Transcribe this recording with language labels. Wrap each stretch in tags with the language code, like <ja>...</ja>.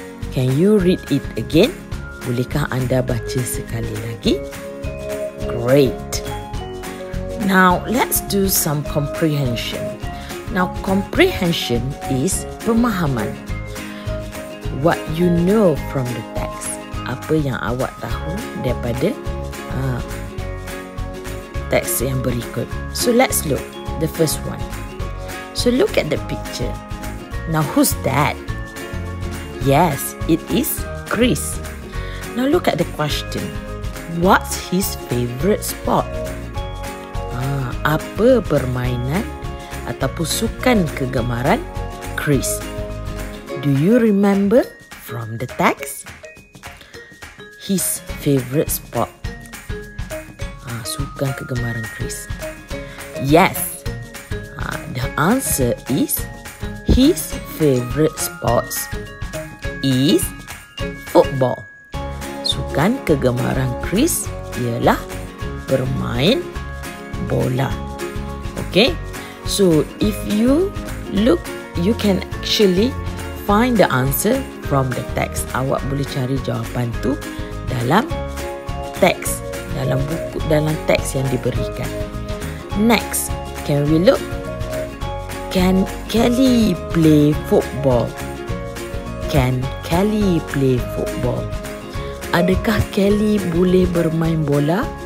<en>Can you read it again?</en> <ms>Bolehkah anda baca sekali lagi?</ms> <en>Great. Now, let's do some comprehension. Now, comprehension is pemahaman. What you know from the text.</en> <ms>Apa yang awak tahu daripada teks yang berikut.</ms> <en>So, let's look. The first one. So, look at the picture. Now, who's that? Yes, it is Chris. Now, look at the question. What's his favorite sport?</en> <ms>Apa permainan ataupun sukan kegemaran Chris?</ms> <en>Do you remember from the text? his favorite sport.</en> <ms>Sukan kegemaran Chris.</ms> <en>Yes. The answer is his favorite sports is football.</en> <ms>Sukan kegemaran Chris ialah bermain bola.</ms> <en>Okay. So if you look, you can actually find the answer from the text.</en> <ms>Awak boleh cari jawapan tu dalam teks, dalam buku, dalam teks yang diberikan.</ms> <en>Next, can we look? Can Kelly play football? Can Kelly play football?</en> <ms>Adakah Kelly boleh bermain bola?</ms>